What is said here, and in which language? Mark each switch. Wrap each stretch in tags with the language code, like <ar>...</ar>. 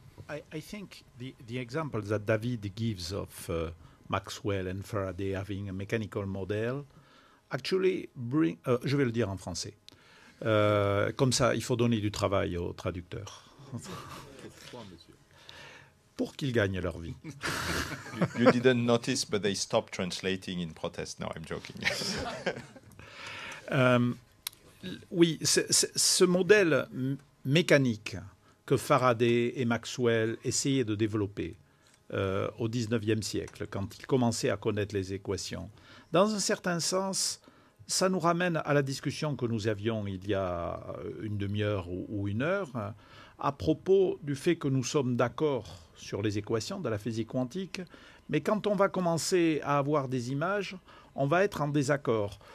<en>I think the example that David gives of Maxwell and Faraday having a mechanical model actually bring.</en> <fr>Je vais le dire en français. Comme ça, il faut donner du travail aux traducteurs. Pour qu'ils gagnent leur vie.</fr> <en>You didn't notice, but they stopped translating in protest. No, I'm joking.</en> <fr>Oui, ce modèle mécanique que Faraday et Maxwell essayaient de développer au 19e siècle, quand ils commençaient à connaître les équations, dans un certain sens, ça nous ramène à la discussion que nous avions il y a une demi-heure ou une heure à propos du fait que nous sommes d'accord sur les équations de la physique quantique, mais quand on va commencer à avoir des images, on va être en désaccord.</fr>